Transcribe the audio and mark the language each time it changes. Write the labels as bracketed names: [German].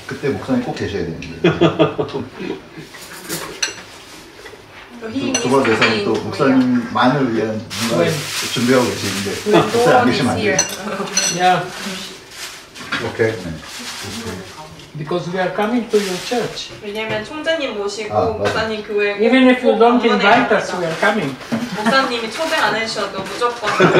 [Korean] 그때 목사님 꼭 계셔야 되는데 두 번 대상 또 목사님만을 위한 뭔가 준비하고 계시는데 목사님 안 계시면 안 돼요. 오케이. [English] Because we are coming to your church. [Korean] 왜냐면 총장님 모시고 목사님 교회. [English] Even if you don't invite us, we are coming. [Korean] 목사님이 초대 안 해주셔도 무조건.